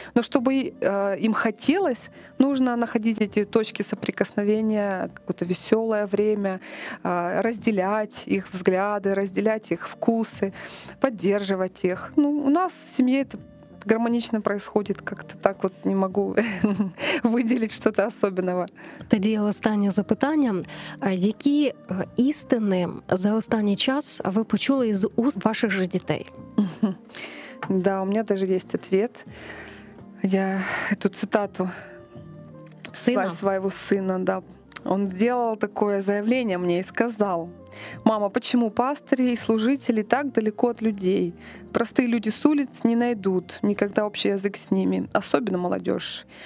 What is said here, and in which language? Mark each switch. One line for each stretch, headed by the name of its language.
Russian: Но чтобы им хотелось, нужно находить эти точки, точки соприкосновения, какое-то веселое время, разделять их взгляды, разделять их вкусы, поддерживать их. Ну, у нас в семье это гармонично происходит, как-то так вот не могу выделить что-то особенного.
Ukrainian: Тоді останнє запитання. Які істини за останній час ви почули із уст ваших же дітей?
Russian: Да, у меня даже есть ответ. Я эту цитату сына. Своего сына, да. Он сделал такое заявление мне и сказал: «Мама, почему пастыри и служители так далеко от людей? Простые люди с улиц не найдут никогда общий язык с ними, особенно молодежь».